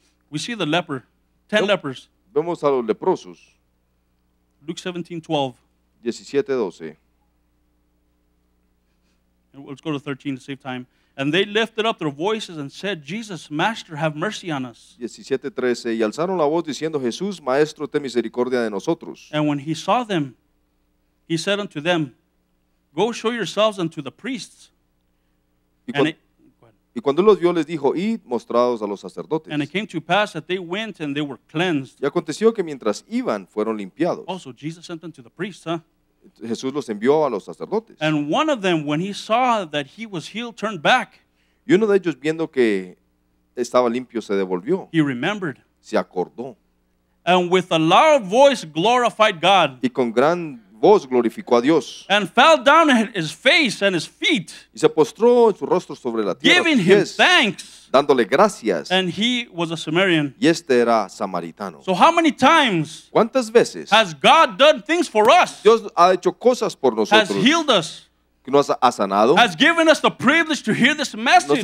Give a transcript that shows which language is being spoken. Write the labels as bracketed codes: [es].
[en] We see the leper, lepers. [es] Vemos a los leprosos. [en] Luke 17:12. 17:12. Let's go to 13 to save time. And they lifted up their voices and said, Jesus, Master, have mercy on us. 17:13. [es] Y alzaron la voz diciendo, Jesús, Maestro, ten misericordia de nosotros. [en] And when he saw them, he said unto them, Go show yourselves unto the priests. [es] Y cuando los vio, les dijo, Id, mostraos a los sacerdotes. [en] And it came to pass that they went and they were cleansed. [es] Y aconteció que mientras iban, fueron limpiados. [en] Also, Jesus sent them to the priests, huh? [es] Jesús los envió a los sacerdotes. [en] And one of them, when he saw that he was healed, turned back. [es] Y uno de ellos, viendo que estaba limpio, se devolvió. [en] He remembered. [es] Se acordó. [en] And with a loud voice glorified God. [es] Y con gran voz glorificó a Dios. [en] And fell down at his face and his feet. [es] Y se postró en su rostro sobre la tierra. [en] Giving him thanks. [es] Dándole gracias. [en] And he was a Samaritan. [es] Y este era samaritano. [en] So how many times? [es] ¿Cuántas veces? [en] Has God done things for us? [es] Dios ha hecho cosas por nosotros. [en] Has healed us. [es] Nos ha sanado. [en] Has given us the privilege to hear this message.